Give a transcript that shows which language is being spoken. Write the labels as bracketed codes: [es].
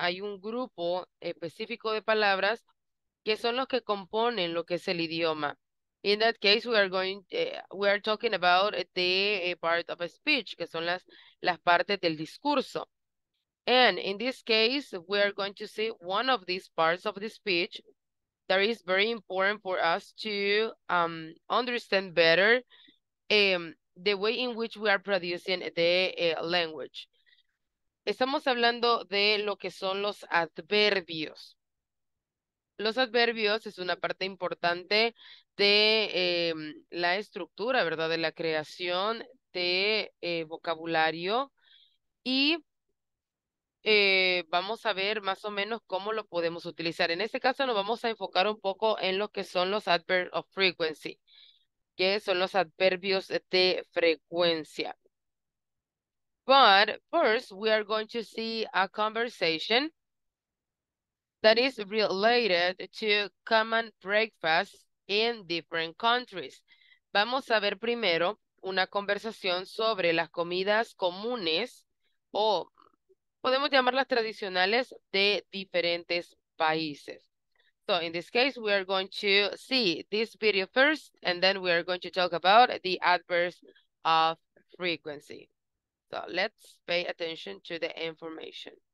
[es] Hay un grupo específico de palabras que son los que componen lo que es el idioma. [en] In that case, we are going, we are talking about the part of a speech, [es] que son las partes del discurso. [en] And in this case, we are going to see one of these parts of the speech, that is very important for us to understand better the way in which we are producing the language. [es] Estamos hablando de lo que son los adverbios. Los adverbios es una parte importante de la estructura, ¿verdad? De la creación de vocabulario. Y vamos a ver más o menos cómo lo podemos utilizar. En este caso nos vamos a enfocar un poco en lo que son los [en] adverbs of frequency, [es] que son los adverbios de frecuencia. [en] But first, we are going to see a conversation that is related to common breakfast in different countries. [es] Vamos a ver primero una conversación sobre las comidas comunes o podemos llamarlas tradicionales de diferentes países. [en] So in this case, we are going to see this video first and then we are going to talk about the adverbs of frequency. So let's pay attention to the information.